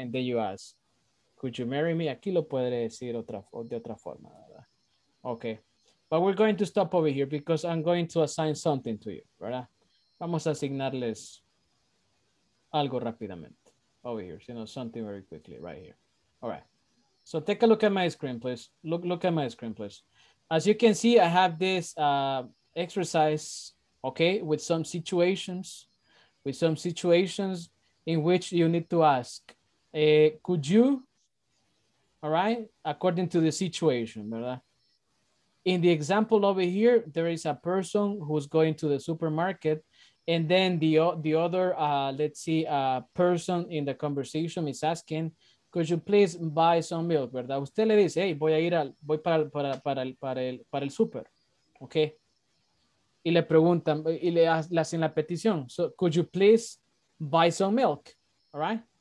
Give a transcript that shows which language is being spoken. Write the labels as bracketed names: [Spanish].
[English] And then you ask, could you marry me? [Spanish] Aquí lo podré decir de otra forma, ¿verdad? Ok. [English] But we're going to stop over here because I'm going to assign something to you, ¿verdad? [Spanish] Vamos a asignarles algo rápidamente. [English] Over here, you know, something very quickly right here. All right. So take a look at my screen, please. Look at my screen, please. As you can see, I have this exercise, okay, with some situations in which you need to ask, could you, all right, according to the situation, ¿verdad? In the example over here, there is a person who's going to the supermarket. And then the other person in the conversation is asking, could you please buy some milk, ¿verdad? [Spanish] Usted le dice, hey, voy para el super, okay? Y le preguntan, y le hacen la petición. [English] So, could you please buy some milk, all right?